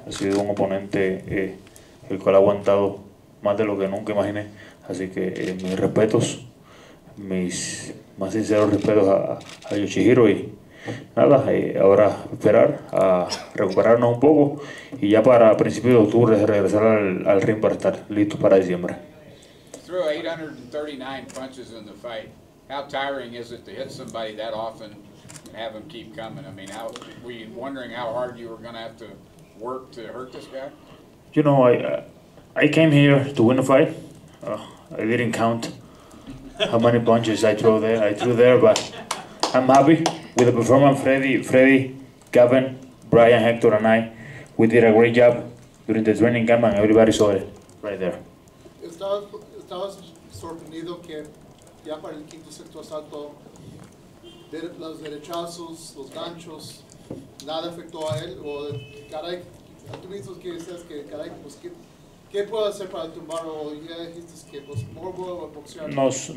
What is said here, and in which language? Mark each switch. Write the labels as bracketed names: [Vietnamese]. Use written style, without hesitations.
[Spanish] Ha sido un oponente el cual ha aguantado más de lo que nunca imaginé. Así que mis respetos, mis más sinceros respetos a Yoshihiro y nada, ahora esperar a recuperarnos un poco y ya para principios de octubre regresar al ring para estar listo para diciembre. [English] Through 839 punches in the fight, how tiring is it to hit somebody that often and have them keep coming? I mean, were you wondering how hard you were going to have to work to hurt this guy? You know, I came here to win the fight. I didn't count how many punches I threw there, but I'm happy with the performance. Freddy, Gavin, Brian, Hector, and I, we did a great job during the training camp, and everybody saw it right there. [Spanish] Estabas sorprendido que ya para el quinto sexto asalto, los derechazos, los ganchos, nada afectó a él. O caray, tú mismo decías que caray, pues qué puedo hacer para tumbarlo. O ya dijiste que pues [English] more world of boxing.